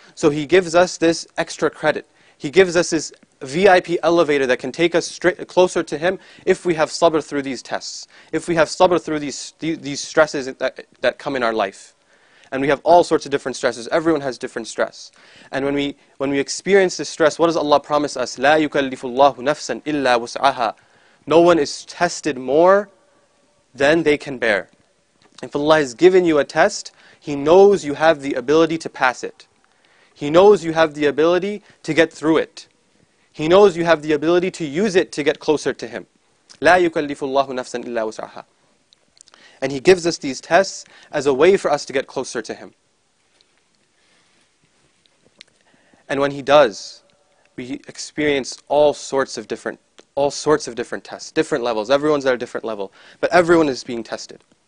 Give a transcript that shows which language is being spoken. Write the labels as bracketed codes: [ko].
[en] So He gives us this extra credit. He gives us this VIP elevator that can take us straight closer to Him if we have sabr through these tests, if we have sabr through these stresses that come in our life. And we have all sorts of different stresses. Everyone has different stress. And when we experience this stress, what does Allah promise us? [ar] لا يكلف الله نفسا إلا وسعها. [en] No one is tested more than they can bear. If Allah has given you a test, He knows you have the ability to pass it. He knows you have the ability to get through it. He knows you have the ability to use it to get closer to Him. [ar] لا يكلف الله نفسا إلا وسعها. [en] And He gives us these tests as a way for us to get closer to Him. And when He does, we experience all sorts of different all sorts of different tests, different levels. Everyone's at a different level, but everyone is being tested.